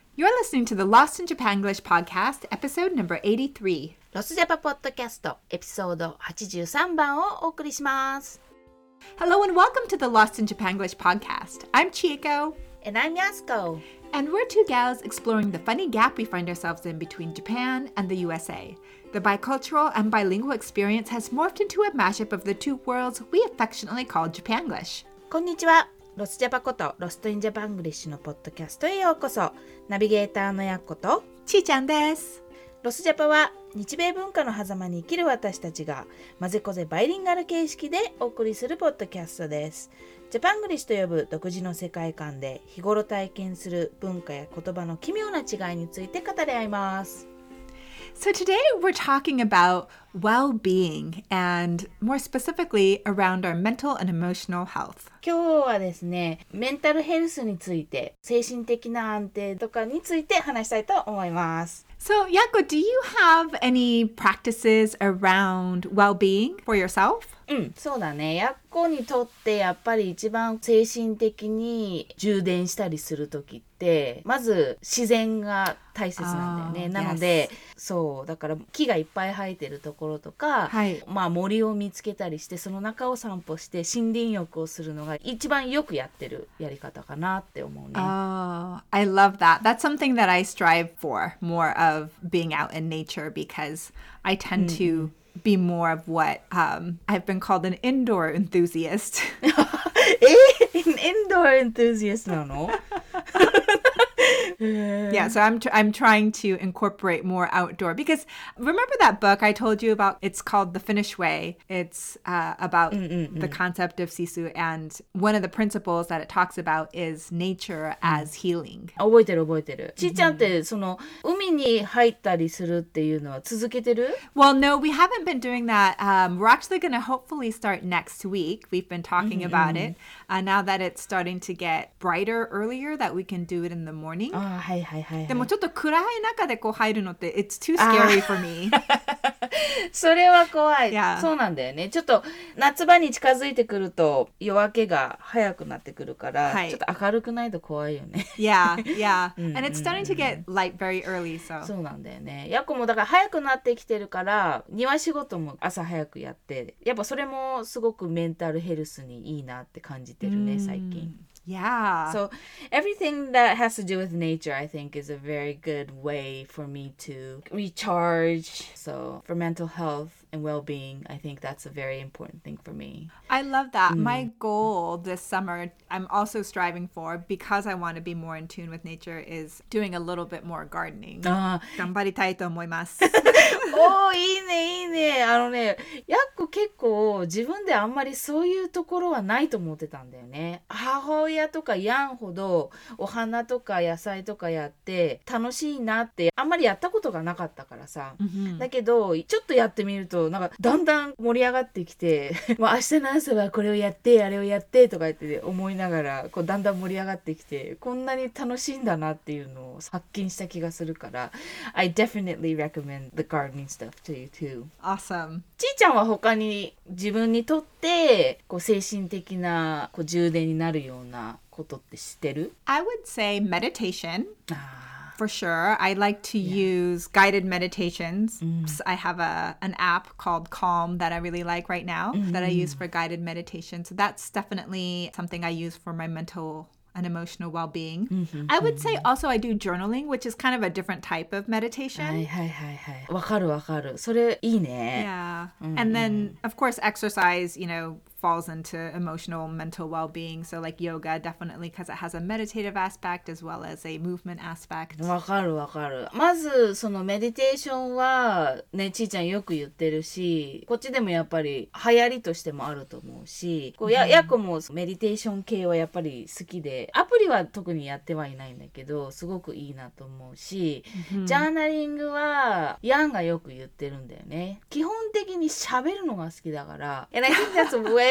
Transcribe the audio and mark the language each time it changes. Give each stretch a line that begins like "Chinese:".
English: You're listening to the Lost in Japan English podcast, episode number 83.
Japanese: ロスジャパポッドキャスト、エピソード83番をお送りします。
English: Hello and welcome to the Lost in Japan English podcast. I'm Chieko. And I'm Yasuko. And we're two gals exploring the funny gap we find ourselves in between Japan and the USA. The bicultural and bilingual experience has morphed into a mashup of the two worlds we affectionately call Japanglish.
Japanese: こんにちは。ロスジャパことロストインジャパングリッシュのポッドキャストへようこそ。ナビゲーターのやっことちーちゃんです。ロスジャパは日米文化の狭間に生きる私たちがまぜこぜバイリンガル形式でお送りするポッドキャストです。ジャパングリッシュと呼ぶ独自の世界観で日頃体験する文化や言葉の奇妙な違いについて語り合います。
English: So today we're talking about well-being and more specifically around our mental and emotional health.
Japanese: 今日はですね、メンタルヘルスについて、精神的な安定とかについて話したいと思います。
English: So, Yako, do you have any practices around well-being for yourself?
Japanese: うん、そうだね。 Yako にとってやっぱり一番精神的に充電したりするときって、まず自然が大切なんだよね。なので、そう、だから木がいっぱい生えてるとところとか、はい、まあ、森を見つけたりしてその中を散歩して森林浴をするのが一番よくやってるやり方かなって思うね。
English: Oh, I love that. That's something that I strive for, more of being out in nature, because I tend to be more of what I've been called an indoor enthusiast. An indoor enthusiast
Japanese: なの?
English: Yeah, so I'm trying to incorporate more outdoor, because remember that book I told you about? It's called The Finnish Way. It's about the concept of sisu, and one of the principles that it talks about is nature as healing.
Japanese: 覚えてる覚えてる。ちーちゃんってその海に入ったりするっていうのは続けてる?
English: Well, no, we haven't been doing that. We're actually going to hopefully start next week. We've been talking about it. Now that it's starting to get brighter earlier, that we can do it in the morning.
Japanese: Ah, はいはいはい。でもちょっと暗い中でこう入るのって
English: it's too scary for me.
Japanese: それは怖い。
English: Yeah.
Japanese: そうなんだよね。ちょっと夏場に近づいてくると夜明けが早くなってくるから、はい、ちょっと明るくないと怖いよね。
English: Yeah, yeah. And it's starting to get light very early, so.
Japanese: そうなんだよね。やっこもだから早くなってきてるから庭仕事も朝早くやって、やっぱそれもすごくメンタルヘルスにいいなって感じてるね、最近。
English: Yeah. So everything that has to do with nature, I think, is a very good way for me to recharge. So for mental health and well-being, I think that's a very important thing for me. I love that. Mm. My goal this summer, I'm also striving for, because I want to be more in tune with nature, is doing a little bit more gardening.
Japanese: 頑張りたいと思います。おー、いいね、いいね。あのね、やっこ結構自分であんまりそういうところはないと思ってたんだよね。母親とかやんほどお花とか野菜とかやって楽しいなってあんまりやったことがなかったからさ、 mm-hmm. だけどちょっとやってみるとなんかだんだん盛り上がってきてもう明日の朝はこれをやってあれをやってとか言って思いながらこうだんだん盛り上がってきてこんなに楽しいんだなっていうのを発見した気がするから
English: I definitely recommend the gardening stuff to you too. Awesome.
Japanese: ちーちゃんは他に自分にとってこう精神的なこう充電になるような
English: I would say meditation, ah. for sure. I like to use guided meditations. I have an app called Calm that I really like right now that I use for guided meditation. So that's definitely something I use for my mental and emotional well-being. I would say also I do journaling, which is kind of a different type of meditation.
Japanese: わかるわかる。それいいね。
English: And then, of course, exercise, you know,falls into emotional mental well-being so like yoga definitely because it has a meditative aspect as well as a movement aspect
Japanese: わかるわかるまずそのメディテーションはねちーちゃんよく言ってるしこっちでもやっぱり流行りとしてもあると思うしこうやっこもメディテーション系はやっぱり好きでアプリは特にやってはいないんだけどすごくいいなと思うしジャーナリングはヤンがよく言ってるんだよね基本的に喋るのが好きだから
English: and I think that's way